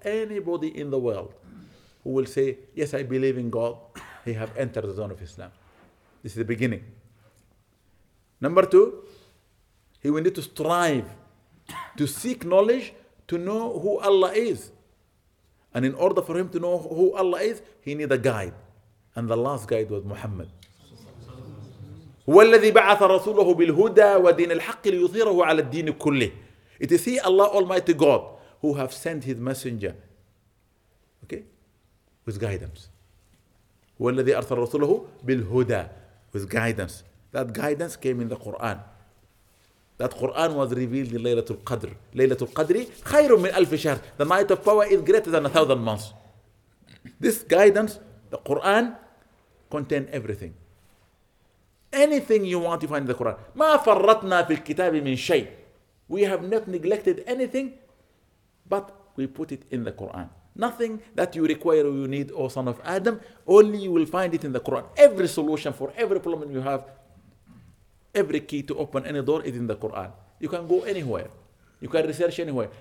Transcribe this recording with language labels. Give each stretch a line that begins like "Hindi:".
English: Anybody in the world who will say, yes, I believe in God, he have entered the zone of Islam. This is the beginning. Number two, he will need to strive to seek knowledge to know who Allah is. And in order for him to know who Allah is, he need a guide. And the last guide was Muhammad.
Arabic: هو الذي بعث رسوله بالهدى ودين الحق ليظهره على الدين كله.
English: It is he, Allah Almighty God, who have sent his messenger, okay, with guidance.
Arabic: هو الذي أرسل رسوله بالهدى,
English: with guidance. That guidance came in the Quran. That Quran was revealed in Laylatul Qadr.
Arabic: Laylatul Qadri khayrun min alf shahr.
English: The night of power is greater than 1,000 months. This guidance, the Quran, contain everything. Anything you want to find in the Quran.
Arabic: ما فرطنا في الكتاب من شيء.
English: We have not neglected anything, but we put it in the Quran. Nothing that you require or you need, O son of Adam, only you will find it in the Quran. Every solution for every problem you have, every key to open any door is in the Quran. You can go anywhere. You can research anywhere.